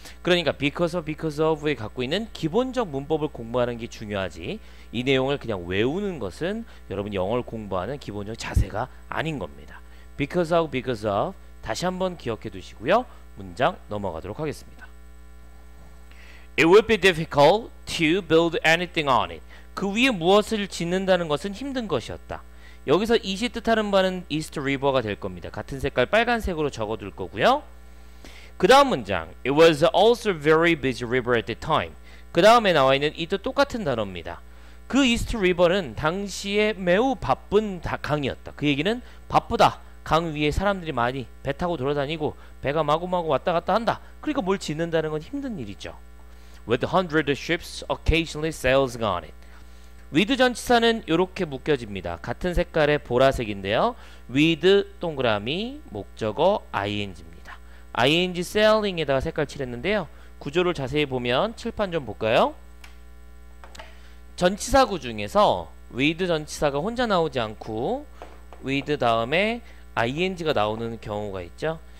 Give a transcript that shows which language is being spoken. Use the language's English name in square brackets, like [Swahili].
[Korean] 그러니까 because of에 갖고 있는 기본적 문법을 공부하는 게 중요하지, 이 내용을 그냥 외우는 것은 여러분 영어를 공부하는 기본적 자세가 아닌 겁니다. Because of 다시 한번 기억해 두시고요. 문장 넘어가도록 하겠습니다. [English] It would be difficult to build anything on it. [Korean] 그 위에 무엇을 짓는다는 것은 힘든 것이었다. 여기서 이시 뜻하는 바는 East River가 될 겁니다. 같은 색깔 빨간색으로 적어둘 거고요. 그 다음 문장 [English] It was also very busy river at the time. [Korean] 그 다음에 나와 있는 이도 똑같은 단어입니다. 그 East River는 당시에 매우 바쁜 강이었다. 그 얘기는 바쁘다, 강 위에 사람들이 많이 배 타고 돌아다니고 배가 마구마구 왔다 갔다 한다. 그러니까 뭘 짓는다는 건 힘든 일이죠. [English] With hundreds of ships occasionally sailing on it. [Korean] With 전치사는 이렇게 묶여집니다. 같은 색깔의 보라색인데요. With 동그라미 목적어 ing입니다. ing sailing에다가 색깔 칠했는데요. 구조를 자세히 보면 칠판 좀 볼까요? 전치사구 중에서 with 전치사가 혼자 나오지 않고 with 다음에 ing가 나오는 경우가 있죠.